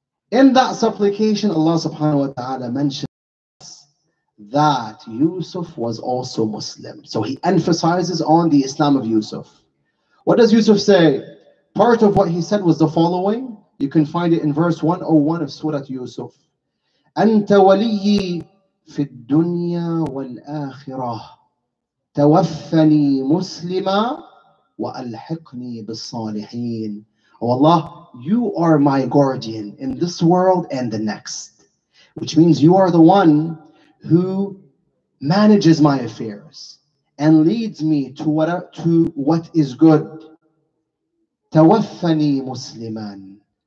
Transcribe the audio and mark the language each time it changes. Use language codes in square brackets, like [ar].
[en] In that supplication, Allah subhanahu wa ta'ala mentions that Yusuf was also Muslim. So he emphasizes on the Islam of Yusuf. What does Yusuf say? Part of what he said was the following. You can find it in verse 101 of Surah Yusuf. [ar] أنت وليي في الدنيا والآخرة توفني مسلما وألحقني بالصالحين. [en] Oh Allah, you are my guardian in this world and the next. Which means you are the one who manages my affairs and leads me to what is good. [ar] توفني مسلما.